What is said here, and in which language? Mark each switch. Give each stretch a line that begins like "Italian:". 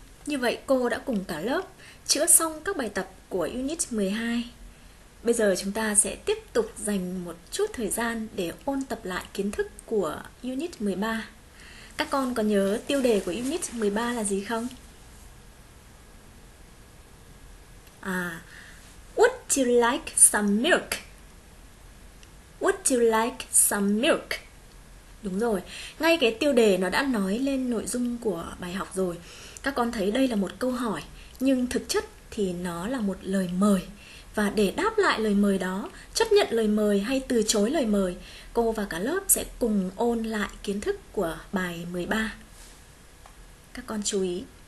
Vietnamese: Như vậy cô đã cùng cả lớp chữa xong các bài tập của Unit 12. Bây giờ chúng ta sẽ tiếp tục dành một chút thời gian để ôn tập lại kiến thức của Unit 13. Các con có nhớ tiêu đề của Unit 13 là gì không?
English: À, Would you like some milk? Would you like some milk?
Vietnamese: Đúng rồi, ngay cái tiêu đề nó đã nói lên nội dung của bài học rồi. Các con thấy đây là một câu hỏi, nhưng thực chất thì nó là một lời mời. Và để đáp lại lời mời đó, chấp nhận lời mời hay từ chối lời mời, cô và cả lớp sẽ cùng ôn lại kiến thức của bài 13. Các con chú ý.